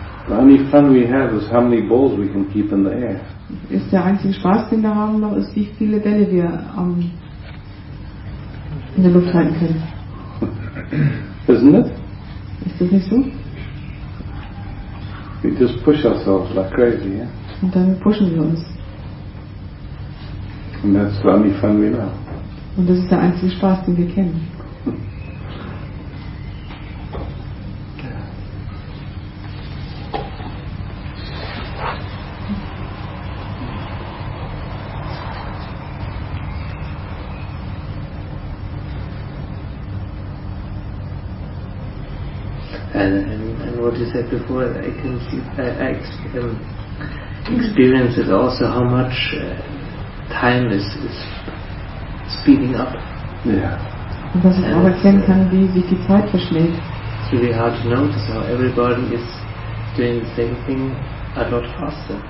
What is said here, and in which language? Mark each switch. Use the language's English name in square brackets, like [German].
[English] the only fun we have is how many balls we can keep in the air. [German] Ist der einzige Spaß, den wir haben, noch ist, wie viele Bälle wir in der Luft halten können. [English] Isn't it? [German] Ist das nicht so? [English] We just push ourselves like crazy, yeah? [German] Und dann pushen wir uns. [English] And that's the only fun we know. [German] Und das ist der einzige Spaß, den wir kennen. [English] And what you said before, I can experience it also how much time is speeding up. Yeah. [German] Und was ich auch erkennen kann, wie sich die Zeit verschmäht. [English] It's really hard to notice how everybody is doing the same thing a lot faster.